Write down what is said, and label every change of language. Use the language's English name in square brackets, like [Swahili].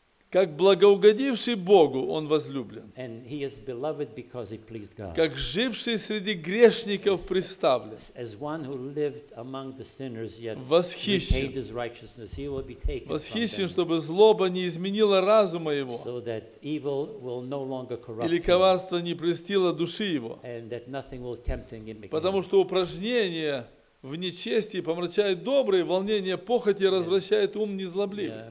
[Russian] Как благоугодивший Богу, он возлюблен. [English] And he is beloved because he pleased God. [Russian] Как живший среди грешников представлен. [English] As one who lived among the sinners, yet [Russian] восхищен, [English] retained his righteousness, he will be taken [Russian] восхищен [English] from them, [Russian] чтобы злоба не изменила разума его, [English] so that evil will no longer corrupt [Russian] или коварство не престило души его. [English] And that nothing will tempt him again. [Russian] Потому что упражнение в нечестии помрачает добрые, волнение похоти развращает ум незлобливый.